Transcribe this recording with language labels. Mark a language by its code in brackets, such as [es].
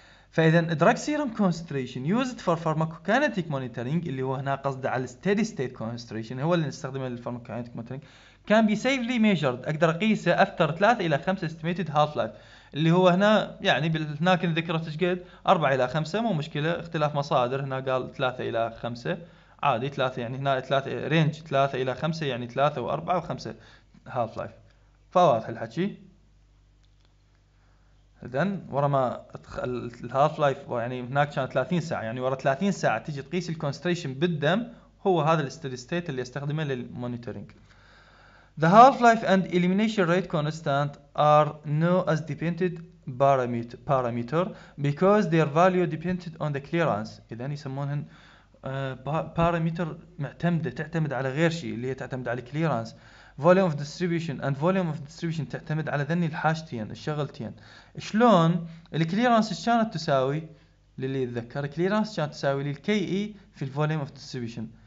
[ar] فإذا drug serum concentration used for pharmacokinetic monitoring اللي هو هنا قصده على steady state concentration هو اللي نستخدمه للpharmacokinetic monitoring كان بي سيفلي ميجرد، اقدر اقيسه افتر 3 الى 5 استيميتد هالف لايف اللي هو هنا يعني هناك ذكرت ايش قد 4 الى 5 مو مشكله اختلاف مصادر، هنا قال 3 الى 5 عادي 3 يعني هنا 3 رينج 3 الى 5 يعني 3 و4 و5 هالف لايف. فواضح الحكي؟ اذا ورا ما الهالف لايف يعني هناك كان 30 ساعه، يعني ورا 30 ساعه تجي تقيس الكونستريشن بالدم هو هذا الستيدي ستيت اللي استخدمه للمونيتورينج. [en] The half-life and elimination rate constant are known as dependent parameter because their value depended on the clearance. [ar] إذن يسمونهن parameter معتمدة تعتمد على غير شيء اللي هي تعتمد على clearance. [en] Volume of distribution and volume of distribution تعتمد على ذني الحاجتين الشغلتين. [ar] شلون الكليرانس إيش كانت تساوي للي يتذكر؟ الكليرانس كانت تساوي للكي اي في الفوليوم اوف ديستريبيوشن.